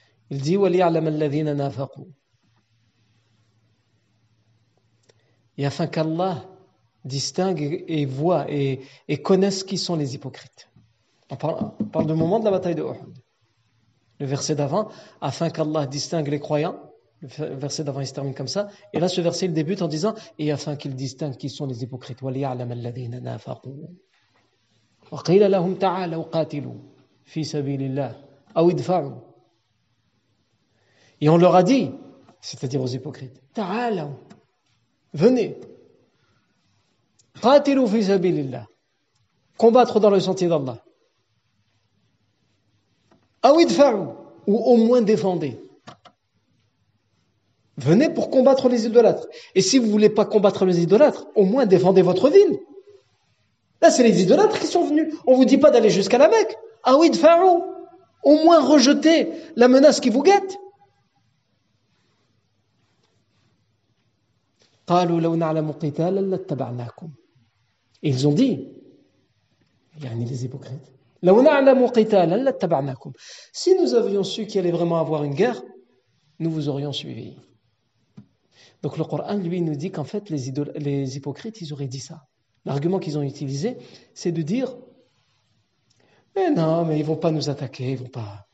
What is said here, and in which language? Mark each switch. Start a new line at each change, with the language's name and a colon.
French: Il dit
Arabic: وَلِيَعْلَمَ الَّذِينَ نَافَقُوا.
French: Et afin qu'Allah distingue et voit et connaisse qui sont les hypocrites. On parle du moment de la bataille de Uhud. Le verset d'avant, afin qu'Allah distingue les croyants. Le verset d'avant, il se termine comme ça. Et là, ce verset, il débute en disant et afin qu'il distingue qui sont les hypocrites.
Arabic: وَلِيَعْلَمَ الَّذِينَ نَافَقُوا. وقيل لهم تعالوا قاتلوا في سبيل الله أو ادفعوا.
French: Et on leur a dit, c'est-à-dire aux hypocrites,
Arabic: تعالوا,
French: venez,
Arabic: قاتلوا في سبيل الله,
French: combattre dans le sentier d'Allah.
Arabic: أو ادفعوا,
French: ou au moins défendez. Venez pour combattre les idolâtres. Et si vous ne voulez pas combattre les idolâtres, au moins défendez votre ville. Là, c'est les idolâtres qui sont venus. On ne vous dit pas d'aller jusqu'à la Mecque. Ah oui, de Pharaon. Au moins rejeter la menace qui vous guette.
Arabic: قالوا لو نعلم قتالا لاتبعناكم.
French: Ils ont dit,
Arabic: يعني
French: les hypocrites,
Arabic: لو نعلم قتالا لاتبعناكم.
French: Si nous avions su qu'il allait vraiment avoir une guerre, nous vous aurions suivi. Donc le Coran, lui, nous dit qu'en fait, les hypocrites, ils auraient dit ça. L'argument qu'ils ont utilisé, c'est de dire eh non, mais ils ne vont pas nous attaquer, ils vont pas.